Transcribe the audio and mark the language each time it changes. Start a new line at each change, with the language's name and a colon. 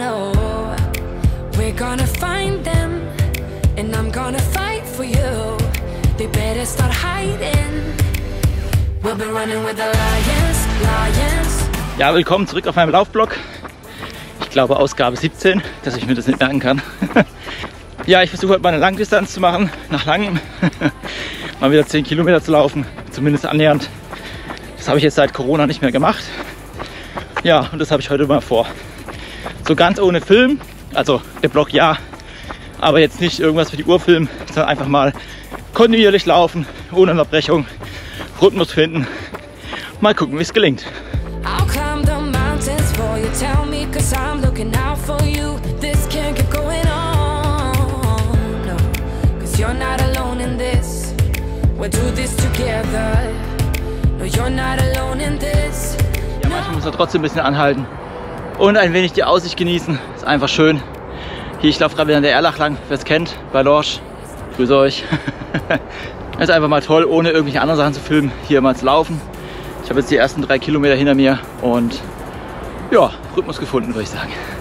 English: Oh, we're gonna find them, and I'm gonna fight for you. They better start hiding. We'll be running with the lions, lions.
German: Ja, willkommen zurück auf meinem Laufblog. Ich glaube Ausgabe 17, dass ich mir das nicht merken kann. Ja, ich versuche heute mal eine Langdistanz zu machen, nach langem. Mal wieder 10 Kilometer zu laufen, zumindest annähernd. Das habe ich jetzt seit Corona nicht mehr gemacht. Ja, und das habe ich heute mal vor. So ganz ohne Film, also der Blog ja, aber jetzt nicht irgendwas für die Uhr filmen, sondern einfach mal kontinuierlich laufen, ohne Unterbrechung, Rhythmus finden. Mal gucken, wie es gelingt.
English: I'll climb the mountains for you, tell me, 'cause I'm looking out for you. This can't keep going on, no, 'cause you're not alone in this. We'll do this together. No, you're not alone in this. No.
German: Ja, manchmal muss man trotzdem ein bisschen anhalten und ein wenig die Aussicht genießen. Ist einfach schön. Hier, ich laufe gerade wieder an der Erlach lang, wer es kennt, bei Lorsch. Grüße euch. Ist einfach mal toll, ohne irgendwelche anderen Sachen zu filmen, hier mal zu laufen. Ich habe jetzt die ersten 3 Kilometer hinter mir und ja, Rhythmus gefunden, würde ich sagen.